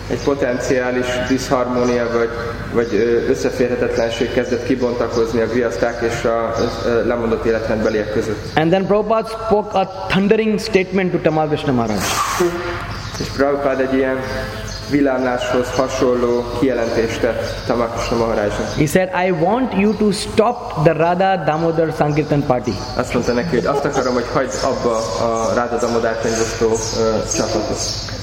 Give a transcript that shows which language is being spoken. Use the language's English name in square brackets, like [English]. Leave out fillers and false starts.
[Hungarian] Egy potenciális diszharmónia vagy összeférhetetlenség kezdett kibontakozni a grihaszták és a lemondott életrendbeliek között. [English] And then Prabhupád spoke a thundering statement to Tamal Krishna Maharaj. [Hungarian] És Prabhupád egy ilyen villámláshoz hasonló kijelentést tett Tamal Krishna Maharajnak. [English] He said, I want you to stop the Radha Damodar Sankirtan party. [Hungarian] Azt mondta neki, hogy azt akarom, hogy hagyd abba a Radha Damodar könyvosztó csapatot.